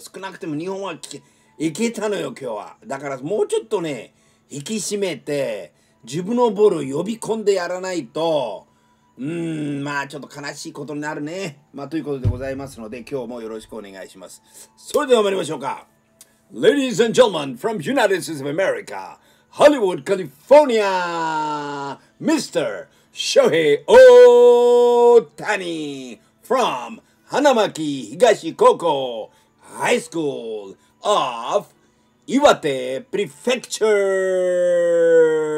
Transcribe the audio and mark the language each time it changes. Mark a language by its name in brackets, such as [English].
[Japanese] 少なくても2本は行けたのよ、今日は。だからもうちょっとね、引き締めて、自分のボールを呼び込んでやらないと、まあちょっと悲しいことになるね。まあということでございますので、今日もよろしくお願いします。それでは参りましょうか。 [English] Ladies and gentlemen, from United States of America, Hollywood, California, Mr. ショヘイ・オオタニ from 花巻東高校 High School of 岩手 Prefecture。